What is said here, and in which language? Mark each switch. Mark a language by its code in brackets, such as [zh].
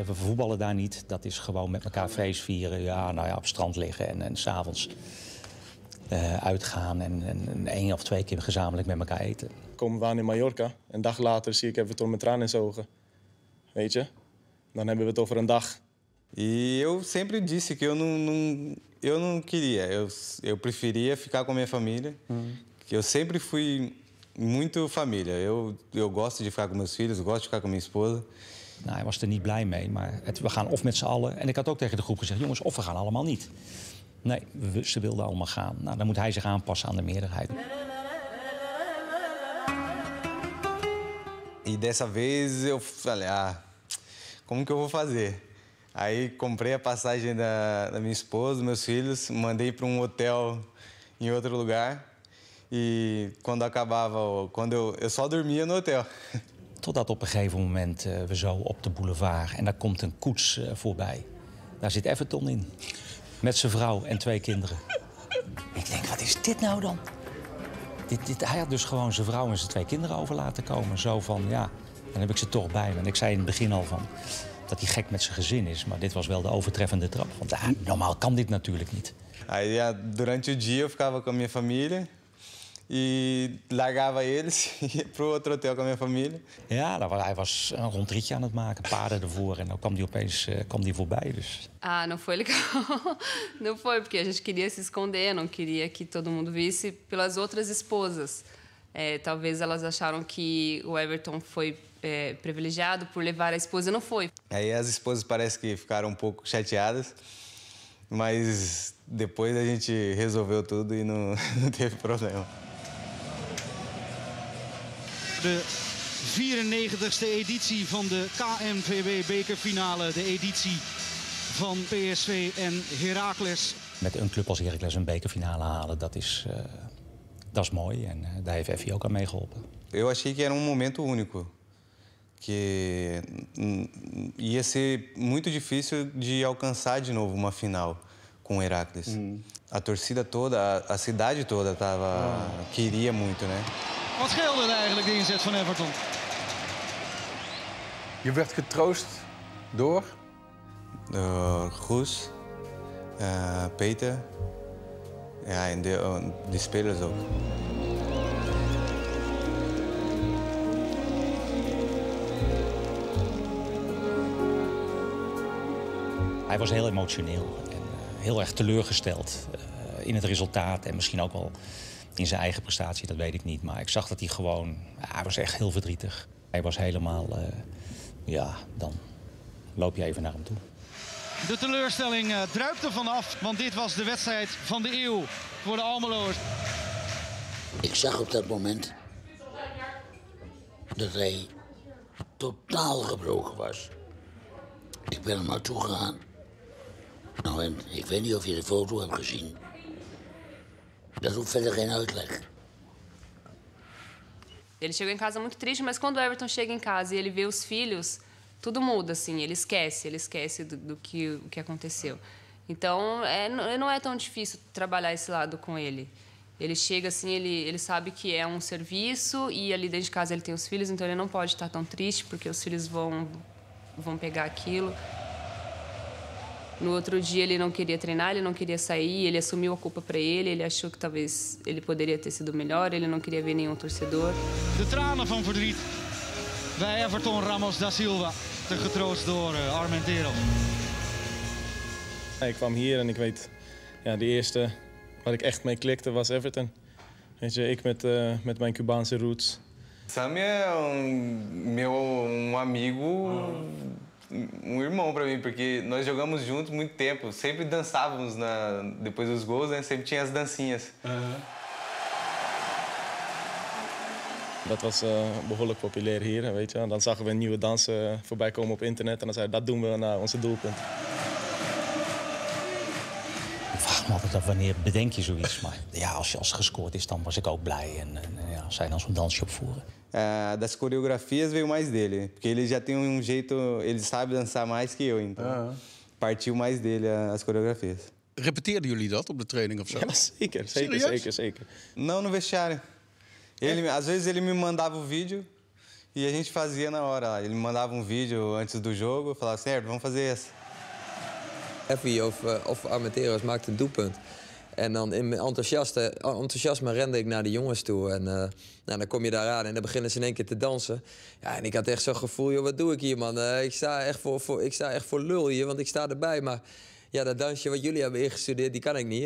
[nl] We voetballen daar niet. Dat is gewoon met elkaar feest vieren. Ja, nou ja, op het strand liggen en 's avonds uitgaan. En 1 of 2 keer gezamenlijk met elkaar eten. Komen we aan in Mallorca. Een dag later zie ik Everton met tranen in zijn ogen. Weet je? Dan hebben we het over een dag. [pt] E eu sempre disse que eu não queria. Eu preferia ficar com a minha família. Eu sempre fui muito família. Eu gosto de ficar com meus filhos, gosto de ficar com minha esposa. [nl] Nou, hij was er niet blij mee, maar we gaan of met z'n allen. En ik had ook tegen de groep gezegd, jongens, of we gaan allemaal niet. Nee, ze wilden allemaal gaan. Nou, dan moet hij zich aanpassen aan de meerderheid. [pt] E dessa vez eu falei, ah, como que eu vou fazer? Aí comprei a passagem da minha esposa, meus filhos, mandei para hotel em outro lugar. E quando acabava, eu só dormia no hotel. [nl] Totdat op een gegeven moment we zo op de boulevard en daar komt een koets voorbij. Daar zit Everton in, met zijn vrouw en 2 kinderen. Ik denk, wat is dit nou dan? Hij had dus gewoon zijn vrouw en zijn 2 kinderen over laten komen. Zo van, ja, dan heb ik ze toch bij me. En ik zei in het begin al van dat hij gek met zijn gezin is. Maar dit was wel de overtreffende trap. Want normaal kan dit natuurlijk niet. [pt] Aí, ja, durante o dia eu ficava com a minha família. E largava eles pro outro hotel com a minha família. [nl] Ja, hij was een rondritje aan het maken, paarden ervoor. En dan kwam hij opeens voorbij. Dus. [pt] Ah, não foi legal. Não foi, porque a gente queria se esconder, não queria que todo mundo visse pelas outras esposas. Talvez elas acharam que o Everton foi privilegiado por levar a esposa, não foi. Aí as esposas parece que ficaram um pouco chateadas, mas depois a gente resolveu tudo e não teve problema. [nl] De 94ste editie van de KNVB bekerfinale, de editie van PSV en Heracles. Met een club als Heracles een bekerfinale halen, dat is mooi en daar heeft Effie ook aan meegeholpen. [pt] Eu achei que era momento único, que ia ser muito difícil de alcançar de novo uma final com Heracles. A torcida toda, a cidade toda tava queria muito, né? [nl] Wat scheelde er eigenlijk, de inzet van Everton? Je werd getroost door? Door Guus, Peter en de spelers ook. Hij was heel emotioneel en heel erg teleurgesteld in het resultaat en misschien ook wel in zijn eigen prestatie, dat weet ik niet. Maar ik zag dat hij gewoon, hij was echt heel verdrietig. Hij was helemaal, ja, dan loop je even naar hem toe. De teleurstelling druipt er vanaf, want dit was de wedstrijd van de eeuw voor de Almeloers. Ik zag op dat moment dat hij totaal gebroken was. Ik ben er naartoe gegaan. Nou, en ik weet niet of je de foto hebt gezien. Dat hoeft verder geen uitleg. [pt] Ele chegou em casa muito triste, mas quando o Everton chega em casa e ele vê os filhos, tudo muda, assim, ele esquece do que aconteceu. Então, não é tão difícil trabalhar esse lado com ele. Ele chega assim, ele sabe que é um serviço e ali dentro de casa ele tem os filhos, então ele não pode estar tão triste porque os filhos vão pegar aquilo. No outro dia ele não queria treinar, ele não queria sair, ele assumiu a culpa para ele, ele achou que talvez ele poderia ter sido melhor, ele não queria ver nenhum torcedor. [nl] De tranen van verdriet bij Everton Ramos da Silva, te getroost door Armenteiro. Ik kwam hier en ik weet, ja, de eerste waar ik echt mee klikte was Everton. Weet je, ik met mijn Cubaanse roots. Sammy is mijn amigo. [pt] Um irmão para mim, porque nós jogamos juntos muito tempo, sempre dançávamos depois dos gols, né? Sempre tinha as dancinhas. [nl] Dat was behoorlijk populair hier, weet je. Dan zagen we een nieuwe dans voorbij komen op internet en dan zei dat doen we naar onze doelpunt. Ik vraag me altijd af wanneer bedenk je zoiets, maar ja, als gescoord is, dan was ik ook blij en ja, zei dan zo'n dansje opvoeren. [pt] Das coreografias veio mais dele, porque ele já tem um jeito, ele sabe dançar mais que eu, então partiu mais dele as coreografias. [nl] Repeteerden jullie dat op de training of zo? Ja, zeker, zeker, zeker, zeker. [pt] Não, no vestiário. Às vezes ele me mandava o vídeo e a gente fazia na hora. Ele me mandava um vídeo antes do jogo, falava assim, vamos fazer essa. [nl] Effie of Armenteros maakte een doelpunt. En dan in mijn enthousiasme rende ik naar de jongens toe. En nou, dan kom je daar aan en dan beginnen ze in één keer te dansen. Ja, en ik had echt zo'n gevoel, joh, wat doe ik hier, man? Ik sta echt voor lul hier, want ik sta erbij. Maar ja, dat dansje wat jullie hebben ingestudeerd, die kan ik niet.